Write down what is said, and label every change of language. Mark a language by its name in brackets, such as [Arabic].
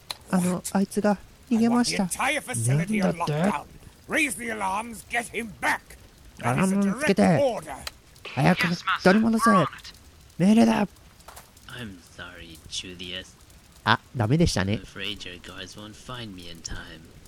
[Japanese] あのあいつが逃げましたなんだって [English] Raise the alarms, get him back! [Japanese] アラームつけて早く取り戻せ命令だ [English] I'm sorry, Julius. [Japanese] あ、ダメでしたね。 [English] I'm afraid your guards won't find me in time.